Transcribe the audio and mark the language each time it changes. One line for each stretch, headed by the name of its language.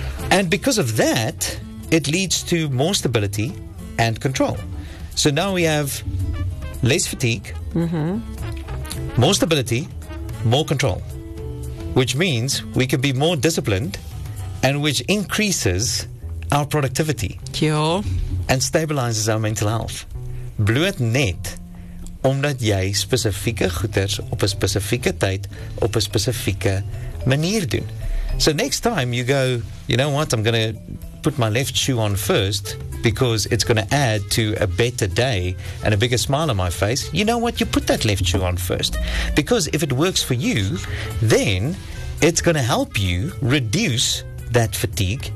English: And because of that, it leads to more stability and control. So now we have less fatigue, more stability, more control. Which means we can be more disciplined and which increases our productivity.
Afrikaans: Ja.
English: And stabilizes our mental health.
Afrikaans: Bloot net, omdat jy spesifieke goeders op 'n spesifieke tyd, op 'n spesifieke manier doen.
English: So next time you go, you know what, I'm going to put my left shoe on first because it's going to add to a better day and a bigger smile on my face. You know what? You put that left shoe on first, because if it works for you, then it's going to help you reduce that fatigue.